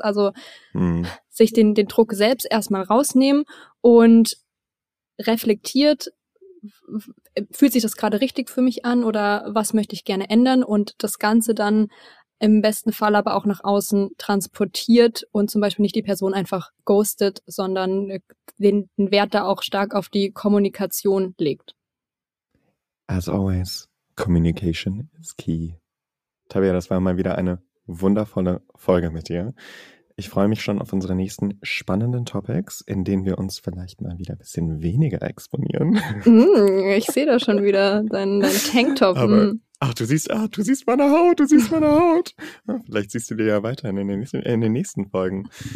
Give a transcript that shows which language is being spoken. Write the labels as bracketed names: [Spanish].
[German] Also sich den Druck selbst erstmal rausnehmen und reflektiert, fühlt sich das gerade richtig für mich an oder was möchte ich gerne ändern, und das Ganze dann im besten Fall aber auch nach außen transportiert und zum Beispiel nicht die Person einfach ghostet, sondern den Wert da auch stark auf die Kommunikation legt. [English] As always, communication is key. [German] Tabea, das war mal wieder eine wundervolle Folge mit dir. Ich freue mich schon auf unsere nächsten spannenden Topics, in denen wir uns vielleicht mal wieder ein bisschen weniger exponieren. Ich sehe da schon wieder deinen Tanktop. Ach, du siehst meine Haut, du siehst meine Haut. Vielleicht siehst du dir ja weiterhin in den nächsten Folgen.